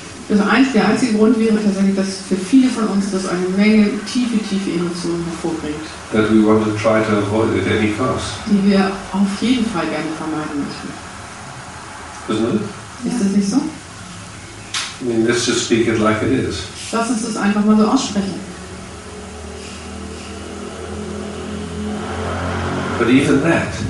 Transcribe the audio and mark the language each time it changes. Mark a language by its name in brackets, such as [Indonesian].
[German] Also der einzige Grund wäre tatsächlich, dass für viele von uns das eine Menge tiefe Emotionen hervorbringt. [English] That we want to try to avoid at any cost. [German] Die wir auf jeden Fall gerne vermeiden möchten. [English] Isn't it? [German] Ist das nicht so? [English] I mean, let's just speak it like it is. [German] Lass uns das einfach mal so aussprechen. [English] But even that.